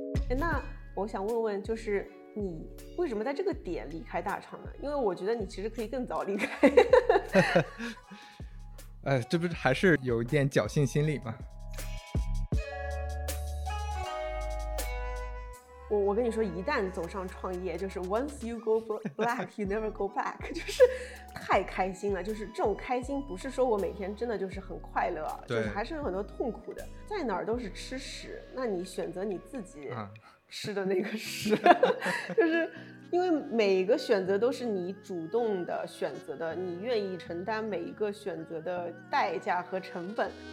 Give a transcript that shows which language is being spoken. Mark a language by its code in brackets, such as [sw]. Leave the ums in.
[zh] 哎，那我想问问，就是你为什么在这个点离开大厂呢？因为我觉得你其实可以更早离开。哎 、呃，这不是还是有一点侥幸心理吗？我我跟你说，一旦走上创业，就是 [en] once you go black, you never go back， [zh] 就是。太开心了，就是这种开心，不是说我每天真的就是很快乐，就是还是有很多痛苦的，在哪儿都是吃屎，那你选择你自己吃的那个屎，啊、 就是因为每一个选择都是你主动的选择的，你愿意承担每一个选择的代价和成本。